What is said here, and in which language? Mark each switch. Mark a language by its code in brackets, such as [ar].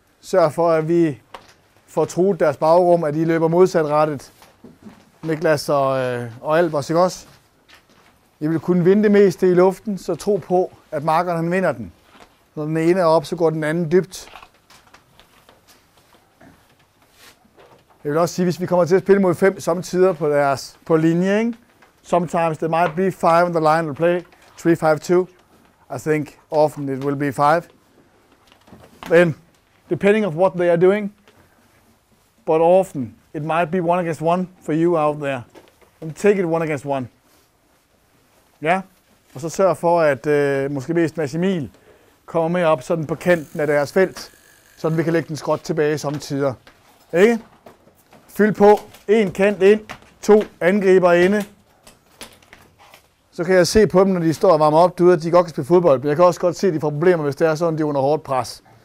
[da] Sørg for, at vi får truet deres bagrum, at de løber modsat rettet. Niklas og Albers, ikke også? I vil kunne vinde det meste i luften, så tro på, at markeren han vinder den. Når den ene er op, så går den anden dybt. Jeg vil også sige, hvis vi kommer til at spille mod 5 samtidig på deres på linje, ikke? [en] Sometimes there might be 5 on the line to play 3-5-2. I think often it will be 5. Then depending of what they are doing, but often it might be 1 against 1 for you out there. And take it 1 against 1. [da] Ja, og så sørg for, at måske mest Mads Emil kommer med op sådan på kanten af deres felt, sådan vi kan lægge den skråt tilbage i sommetider. Ikke? Fyld på. En kant ind, 2 angriber inde. Så kan jeg se på dem, når de står og varmer op, du ved, at de godt kan spille fodbold, men jeg kan også godt se, at de får problemer, hvis det er sådan, de er under hårdt pres.